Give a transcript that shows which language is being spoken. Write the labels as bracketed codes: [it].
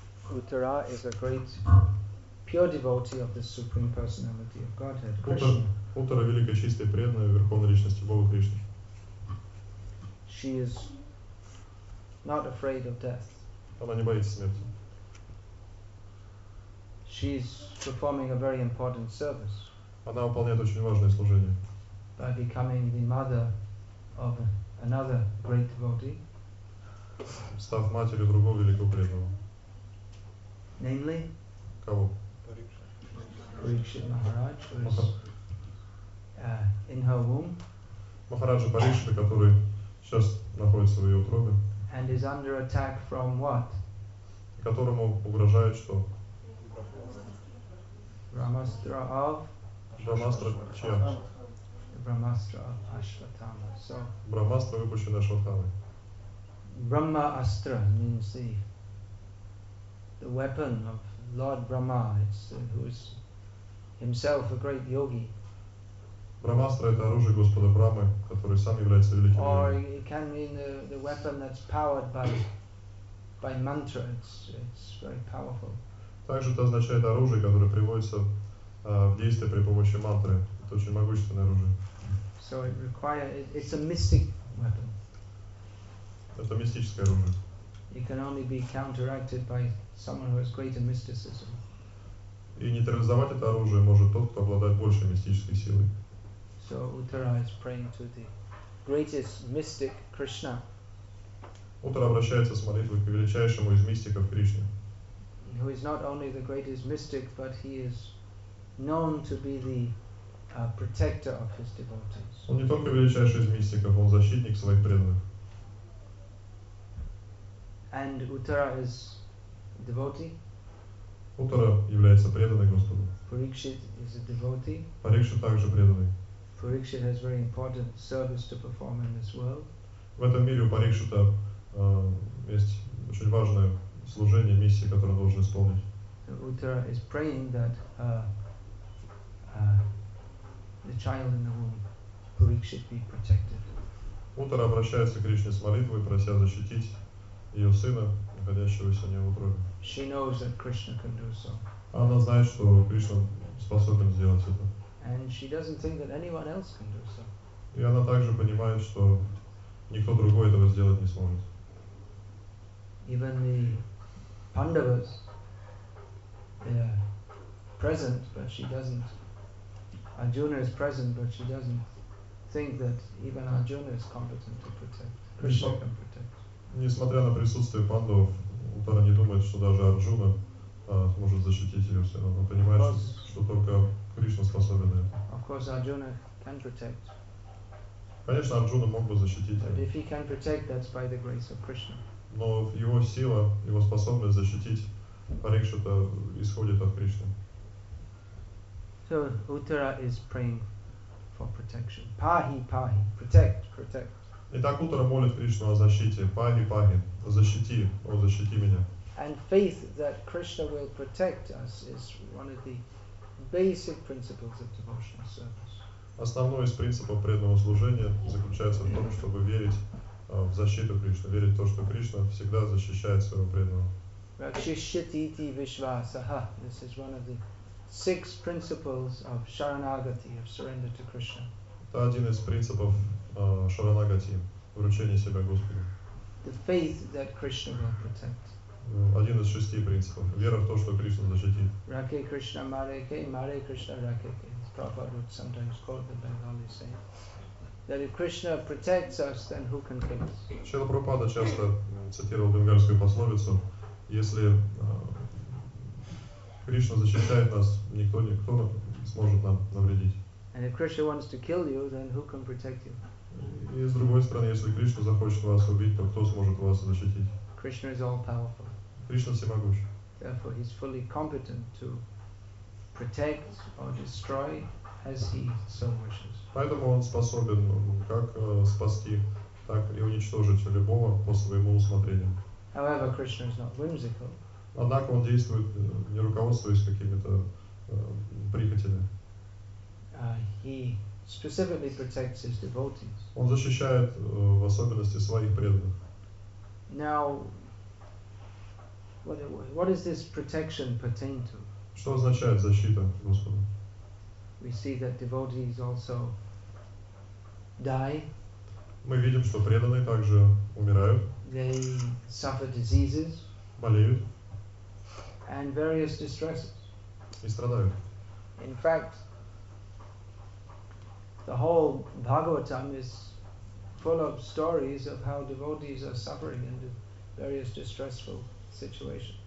[en] Uttara is a great pure devotee of the Supreme Personality of Godhead, Krishna. [ru] Uttara – великая, чистая, преданная Верховной Личности Бога Кришны. [en] She is not afraid of death. [ru] Она не боится смерти. [en] She is performing a very important service. [ru] Она выполняет очень важное служение. [en] By becoming the mother of another great devotee. [ru] Став матерью другого великого преданного. [en] Namely? [ru] Кого? [en] Парикшит Махарадж, who is in her womb. [ru] Махараджа Парикшита, который сейчас находится в ее утробе. [en] And is under attack from what? [ru] Которому угрожает что? [en] Брахмастра of? [ru] Брахмастра чья? [en] Брахмастра Ашватама. So, [ru] Брахмастра, выпущенная Ашватамой. [en] Брахма Астра means the weapon of Lord Brahma, who is himself a great yogi. [ru] Брахмастра – это оружие Господа Брахмы, который сам является великим йогом. [en] Or it can mean the weapon that's powered by mantra. It's very powerful. [ru] Также это означает оружие, которое приводится в действие при помощи мантры. Это очень могущественное оружие. [en] So it requires, it's a mystic weapon. [ru] Это мистическое оружие. [en] It can only be counteracted by someone who has greater mysticism. [ru] И нейтрализовать это оружие может тот, кто обладает большей мистической силой. [en] So Uttara is praying to the greatest mystic Krishna. [ru] Uttara обращается с молитвой к величайшему из мистиков Кришне. [en] Who is not only the greatest mystic, but he is known to be the protector of his devotees. [ru] Он не только величайший из мистиков, он защитник своих преданных. [en] And Uttara is devotee. [ru] Uttara является преданной Господу. [en] Parikshit is a devotee. [ru] Parikshit также преданный. [en] Parikshit has very important service to perform in this world. [ru] В этом мире у Парикшита есть очень важное служение, миссия, которую он должен исполнить. [en] Uttara is praying that the child in the womb, Parikshit, be protected. [ru] Uttara обращается к Кришне с молитвой, прося защитить ее сына, находящегося в ее утробе. [en] She knows that Krishna can do so. [ru] Она знает, что Кришна способен сделать это. [en] And she doesn't think that anyone else can do so. [ru] И она также понимает, что никто другой этого сделать не сможет. [en] Even the Pandavas, they are present, but she doesn't. Arjuna is present, but she doesn't think that even Arjuna is competent to protect. Krishna can protect. [ru] Несмотря на присутствие Пандавов, Uttara не думает, что даже Арджуна сможет защитить ее сына. Он понимает, что только Кришна способен на это. [en] Of course, Arjuna can protect. [ru] Конечно, Арджуна мог бы защитить ее. [en] But if he can protect, that's by the grace of Krishna. [ru] Но его сила, его способность защитить Парикшита исходит от Кришны. [en] So Uttara is praying for protection. Pahi, pahi, protect, protect. [ru] Итак, Uttara молит Кришну о защите. Пахи, пахи, защити, о, защити меня. [en] And faith that Krishna will protect us is one of the basic principles of devotional service. [ru] Основной из принципов преданного служения заключается в том, чтобы верить в защиту Кришны, верить в то, что Кришна всегда защищает своего преданного. [sa] Rakshishyatiti vishvasaha. [en] This is one of the six principles of sharanagati, of surrender to Krishna. [ru] Это один из принципов шаранагати, вручение себя Господу. [en] The faith that Krishna will protect. [ru] Один из шести принципов. Вера в то, что Кришна защитит. [bn] Раке Кришна Мареке, Маре Кришна Раке. [en] As Prabhupada would sometimes quote the Bengali saying. That if Krishna protects us, then who can kill us? [ru] Шрила Прабхупада часто цитировал бенгальскую пословицу. Если Кришна защищает нас, никто не сможет нам навредить. [en] And if Krishna wants to kill you, then who can protect you? [ru] И с другой стороны, если Кришна захочет вас убить, то кто сможет вас защитить? [en] Krishna is all powerful. [ru] Кришна всемогущ. [en] Therefore, he is fully competent to protect or destroy as he so wishes. [ru] Поэтому он способен как спасти, так и уничтожить любого по своему усмотрению. [en] However, Krishna is not whimsical. [ru] Однако он действует, не руководствуясь какими-то прихотями. [en] Specifically protects his devotees. [ru] Он защищает в особенности своих преданных. [en] Now, what does this protection pertain to? [ru] Что означает защита Господа? [en] We see that devotees also die. [ru] Мы видим, что преданные также умирают. [en] They suffer diseases. [ru] Болеют. [en] And various distresses. [ru] И страдают. [en] In fact, the whole Bhagavatam is full of stories of how devotees are suffering in various distressful situations.